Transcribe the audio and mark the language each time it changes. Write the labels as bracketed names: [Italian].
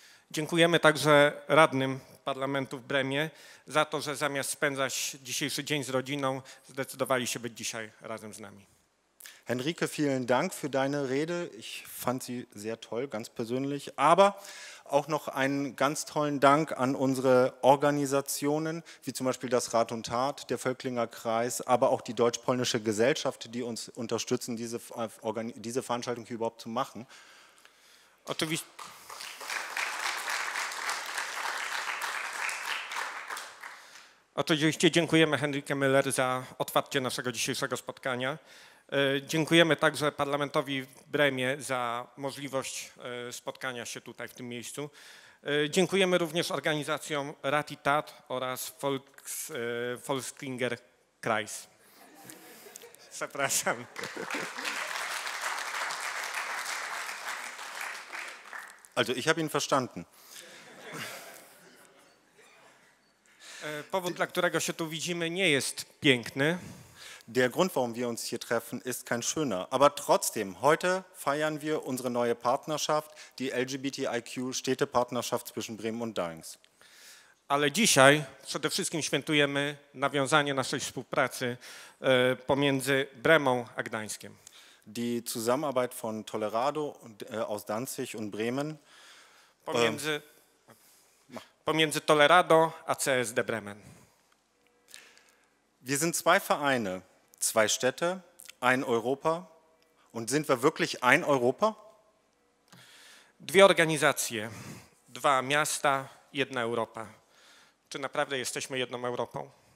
[Polish] Dziękujemy także radnym parlamentu w Bremie za to, że zamiast spędzać dzisiejszy dzień z rodziną, zdecydowali się być dzisiaj razem z nami. [German] Henrike, vielen Dank für deine Rede. Ich fand sie sehr toll, ganz persönlich. Aber auch noch einen ganz tollen Dank an unsere Organisationen, wie zum Beispiel das Rat und Tat, der Völklinger Kreis, aber auch die Deutsch-Polnische Gesellschaft, die uns unterstützen, diese Veranstaltung hier überhaupt zu machen. [Polish] Oczywiście dziękujemy Henrike Müller za otwarcie naszego dzisiejszego spotkania. Dziękujemy także parlamentowi w Bremie za możliwość spotkania się tutaj w tym miejscu. Dziękujemy również organizacjom Rat i Tat oraz Völklinger Kreis. Przepraszam. [German] Also ich habe ihn verstanden. [Polish] Powód, dla którego się tu widzimy, nie jest piękny. [German] Der Grund, warum wir uns hier treffen, ist kein schöner. Aber trotzdem, heute feiern wir unsere neue Partnerschaft, die LGBTIQ-Städtepartnerschaft zwischen Bremen und Dyings. [Polish] Ale dzisiaj przede wszystkim świętujemy nawiązanie naszej współpracy pomiędzy Bremą a Gdańskiem. [German] Die Zusammenarbeit von Tolerado aus Danzig und Bremen. [Polish] Pomiędzy Tolerado a CSD Bremen. [German] Wir sind zwei Vereine, zwei Städte, ein Europa. Und sind wir wirklich ein Europa? [Polish] Dwie organizacje, dwa miasta, jedna Europa. Czy naprawdę jesteśmy jedną Europą?